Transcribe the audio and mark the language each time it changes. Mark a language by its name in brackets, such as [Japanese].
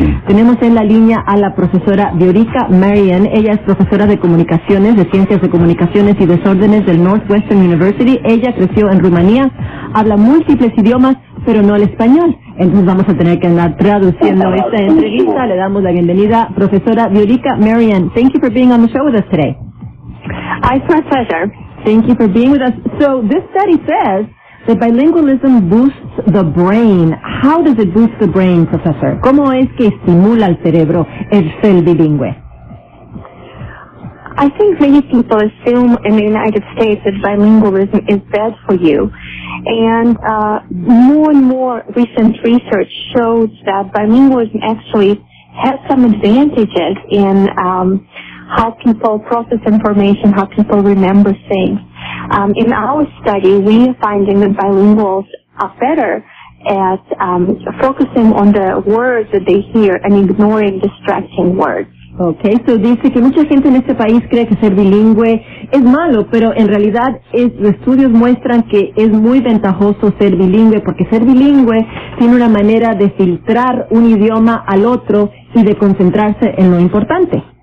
[Spanish] Tenemos en la línea a la profesora Viorica Marian. Ella es profesora de comunicaciones, de ciencias de comunicaciones y desórdenes del Northwestern University. Ella creció en Rumanía, habla múltiples idiomas, pero no el español. Entonces vamos a tener que andar traduciendo esta entrevista. Le damos la bienvenida, profesora Viorica Marian. [English] Thank you for being on the show with us today. It's my pleasure. Thank you for being with us. So this study says that bilingualism boosts the brain. How does it boost the brain, professor? [Spanish] ¿Cómo es que estimula el cerebro el ser bilingüe? [English] I think many people assume in the United States that bilingualism is bad for you. And more and more recent research shows that bilingualism actually has some advantages in how people process information, how people remember things. In our study, we are finding that bilinguals are better at focusing on the words that they hear and ignoring distracting words. [Spanish] Okay, so dice que mucha gente en este país cree que ser bilingüe es malo, pero en realidad los estudios muestran que es muy ventajoso ser bilingüe, porque ser bilingüe tiene una manera de filtrar un idioma al otro y de concentrarse en lo importante.